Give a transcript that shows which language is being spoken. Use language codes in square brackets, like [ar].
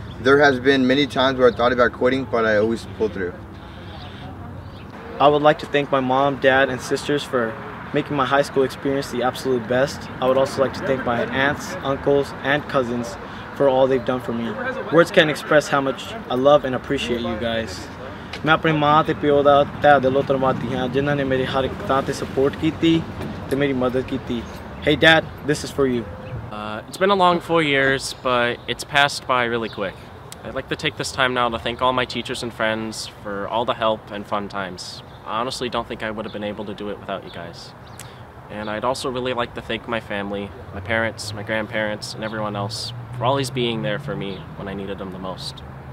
[en] There has been many times where I thought about quitting, but I always pulled through. I would like to thank my mom, dad, and sisters for making my high school experience the absolute best. I would also like to thank my aunts, uncles, and cousins for all they've done for me. Words can't express how much I love and appreciate you guys. [pa] ਮੈਂ ਆਪਣੀ ਮਾਂ ਅਤੇ ਪਿਓ ਦਾ ਤਹਿ ਦਿਲੋਂ ਧੰਨਵਾਦੀ ਹਾਂ ਜਿਨ੍ਹਾਂ ਨੇ ਮੇਰੀ ਹਰ ਇੱਕ ਥਾਂ 'ਤੇ ਸਪੋਰਟ ਕੀਤੀ ਅਤੇ ਮੇਰੀ ਮਦਦ ਕੀਤੀ. [en] Hey Dad, this is for you. It's been a long 4 years, but it's passed by really quick. I'd like to take this time now to thank all my teachers and friends for all the help and fun times. I honestly don't think I would have been able to do it without you guys. And I'd also really like to thank my family, my parents, my grandparents, and everyone else for always being there for me when I needed them the most.